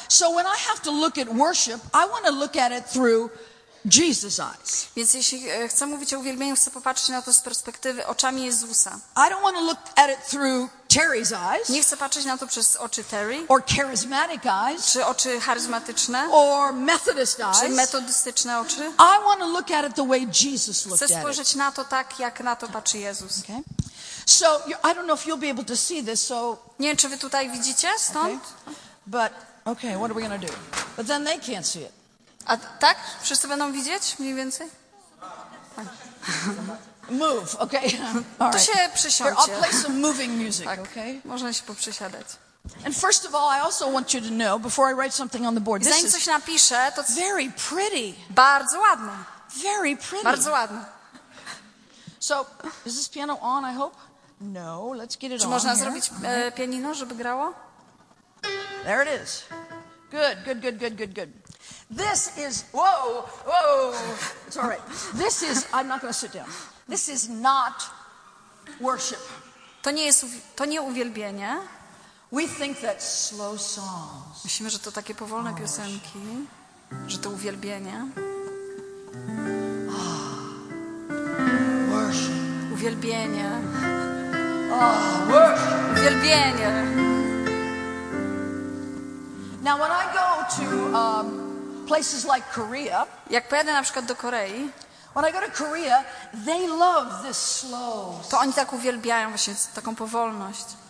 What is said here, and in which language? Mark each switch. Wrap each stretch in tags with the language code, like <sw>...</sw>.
<en>So when I have to look at worship, I want to look at it through Jesus' eyes.</en> <pl>Więc jeśli chcę mówić o uwielbieniu, chcę popatrzeć na to z perspektywy oczami Jezusa.</pl> <en>I don't want to look at it through Terry's eyes.</en> <pl>Nie chcę patrzeć na to przez oczy Terry.</pl> <en>Or charismatic eyes.</en> <pl>Czy oczy charyzmatyczne.</pl> <en>Or Methodist eyes.</en> <pl>Czy metodystyczne oczy.</pl> <en>I want to look at it the way Jesus looked at it.</en> <pl>Chcę spojrzeć na to tak, jak na to patrzy Jezus.</pl> <en>Okay. So I don't know if you'll be able to see this. So.</en> <pl>Nie wiem, czy wy tutaj widzicie stąd.</pl> <en>Okay. But okay, what are we gonna do? But then they can't see it.</en> <pl>A tak? Wszyscy będą widzieć mniej więcej? Tak.</pl> <en>Move, okay.</en> <pl>Tu się przesiądźcie.</pl> <en>I'll play some moving music,</en> <pl>tak.</pl> <en>Okay?</en> <pl>Można się poprzesiadać.</pl> <en>And first of all, I also want you to know before I write something on the board.</en> <pl>Zanim coś napiszę, to</pl> <en>very pretty.</en> <pl>Bardzo ładne.</pl> <en>Very pretty.</en> <pl>Bardzo ładne.</pl> <en>So, is this piano on, I hope? No, let's get it on.</en> <pl>Czy można zrobić pianino, żeby grało?</pl> <en>There it is. Good, good, good, good, good, good. This is, whoa, it's all right. This is, I'm not going to sit down. This is not worship.</en> <pl>To nie uwielbienie.</pl> <en>We think that slow songs.</en> <pl>Myślimy, że to takie powolne piosenki, że to uwielbienie.</pl> <en>Worship.</en> <pl>Uwielbienie.</pl> <en>Worship.</en> <pl>Uwielbienie.</pl> <en>Now when I go to places like Korea.</en> <pl>Jak pojadę na przykład do Korei.</pl> <en>When I go to Korea, they love this slow.</en> <pl>To oni tak uwielbiają właśnie taką powolność.</pl>